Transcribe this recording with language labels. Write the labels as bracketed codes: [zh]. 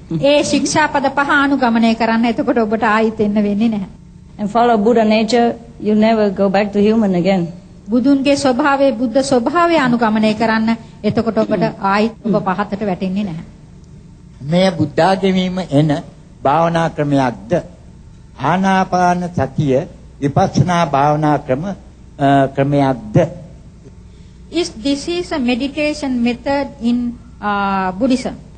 [si] ඒ ශික්ෂාපද පහ අනුගමනය කරන්න එතකොට ඔබට ආයිත් වෙන්න වෙන්නේ නැහැ [en] and follow buddha nature you'll never go back to human again. [si] බුදුන්ගේ ස්වභාවය බුද්ධ ස්වභාවය අනුගමනය කරන්න එතකොට ඔබට ආයිත් ඔබ පහතට වැටෙන්නේ නැහැ. මේ බුද්ධාගමීම එන භාවනා ක්‍රමයක්ද ආනාපාන සතිය විපස්සනා භාවනා ක්‍රම ක්‍රමයක්ද? [en] Is this is a meditation method in Buddhism?